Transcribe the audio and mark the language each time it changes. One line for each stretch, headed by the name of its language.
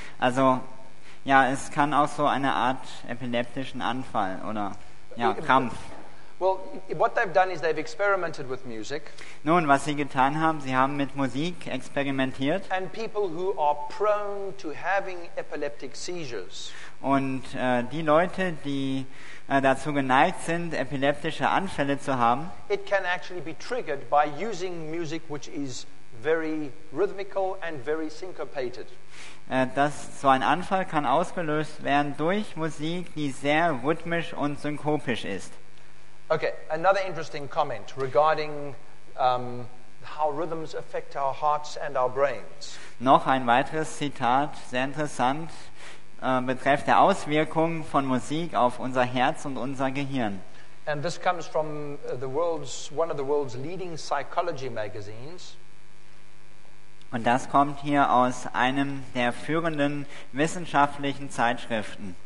German: Also, ja, es kann auch so eine Art epileptischen Anfall oder ja, Krampf.
English: Well, what they've done is they've experimented with music.
German: Nun, was sie getan haben, sie haben mit Musik experimentiert.
English: And people who are prone to having epileptic seizures.
German: Und die Leute, die dazu geneigt sind, epileptische Anfälle zu haben.
English: It can actually be triggered by using music which is very rhythmical and very syncopated.
German: So ein Anfall kann ausgelöst werden durch Musik, die sehr rhythmisch und synkopisch ist.
English: Okay, another interesting comment regarding how rhythms affect our hearts and our brains.
German: Noch ein weiteres Zitat, sehr interessant, betrifft die Auswirkungen von Musik auf unser Herz und unser Gehirn.
English: And this comes from one of the world's leading psychology magazines.
German: Und das kommt hier aus einem der führenden wissenschaftlichen Zeitschriften.